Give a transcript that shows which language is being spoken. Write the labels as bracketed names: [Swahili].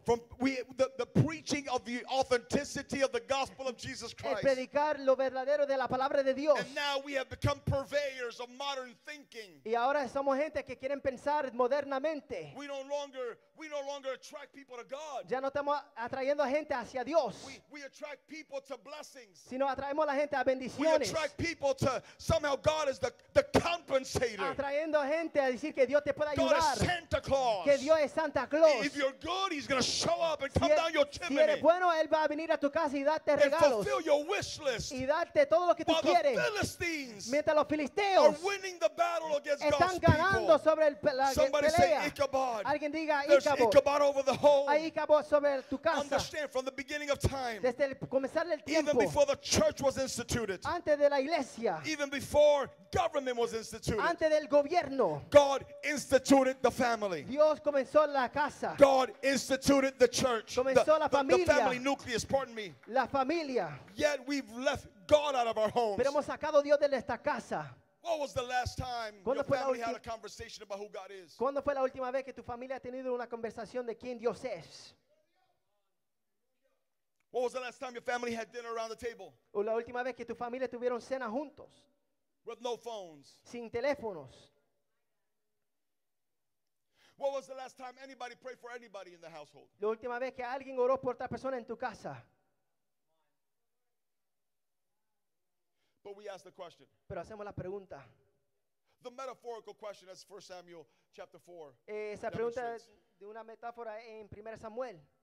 [English] The preaching of the authenticity of the gospel of Jesus Christ. [Spanish] El predicar lo verdadero de la palabra de Dios. [English] And now we have become purveyors of modern thinking. [Spanish] Y ahora somos gente que quieren pensar modernamente. [English] We no longer attract people to God. [Spanish] Ya no estamos atrayendo a gente hacia Dios. [English] We attract people to blessings. [Spanish] Sino atraemos a la gente a bendiciones. [English] We attract people to somehow God is the compensator. [Spanish] Atrayendo a gente a decir que Dios te puede ayudar. [English] God is Santa Claus. [Spanish] Que Dios es Santa Claus. [English] If you're good, he's going to show up and come down your chimney. [Spanish] Si eres bueno, él va a venir a tu casa y darte regalos. [English] And fulfill your wish list. [Spanish] Y darte todo lo que tú quieres. [English] While the Philistines. [Spanish] Mientras los filisteos [English] are winning the battle against God's people. [Spanish] Están ganando sobre el pelea. [English] Somebody say Ichabod. [Spanish] Alguien diga [English] Ichabod over the home. [Spanish] Ichabod sobre tu casa. [English] Understand from the beginning of time. [Spanish] Desde el comenzar del tiempo. [English] Even before the church was instituted. [Spanish] Antes de la iglesia. [English] Even before government was instituted. [Spanish] Antes del gobierno. [English] God instituted the family. [Spanish] Dios comenzó la casa. [English] God instituted the church. [Spanish] Comenzó la familia. [English] The family nucleus, pardon me. [Spanish] La familia. [English] Yet we've left God out of our homes. [Spanish] Pero hemos sacado Dios de esta casa. [English] What was the last time your family had a conversation about who God is? [Spanish] ¿Cuándo fue la última vez que tu familia ha tenido una conversación de quién Dios es? [English] What was the last time your family had dinner around the table? [Spanish] ¿O la última vez que tu familia tuvieron cena juntos? [English] With no phones. [Spanish] Sin teléfonos. [English] What was the last time anybody prayed for anybody in the household? [Spanish] La última vez que alguien oró por otra persona en tu casa. [English] But we ask the question. [Spanish] Pero hacemos la pregunta. [English] The metaphorical question as 1 Samuel chapter 4. [Spanish] Esa pregunta de una metáfora en 1 Samuel.